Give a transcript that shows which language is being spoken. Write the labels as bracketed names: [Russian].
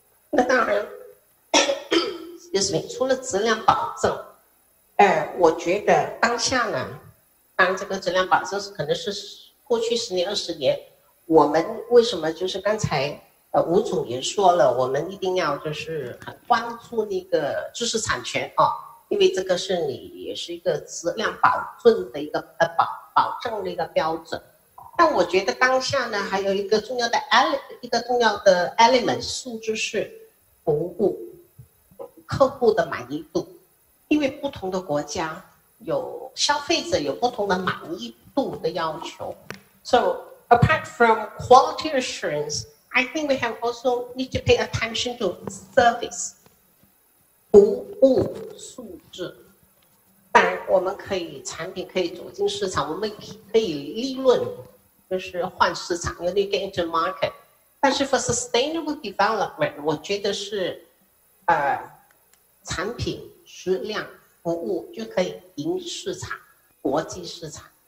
[Chinese] 那当然 [English] excuse me， [Chinese] 除了质量保证我觉得当下呢当然这个质量保证是可能是过去十年二十年我们为什么就是刚才吴总也说了我们一定要就是很关注那个知识产权啊，因为这个是你也是一个质量保证的一个保证的一个标准。但我觉得当下呢还有一个重要的 element 数字是服务客户的满意度，因为不同的国家有消费者有不同的满意度的要求。 [English] So apart from quality assurance I think we have also need to pay attention to service [Chinese] 服务素质。当然我们可以产品可以走进市场，我们可以利润就是换市场 [English] you need to get into market， [Chinese] 但是 [English] for sustainable development [Chinese] 我觉得是产品质量服务就可以赢市场国际市场。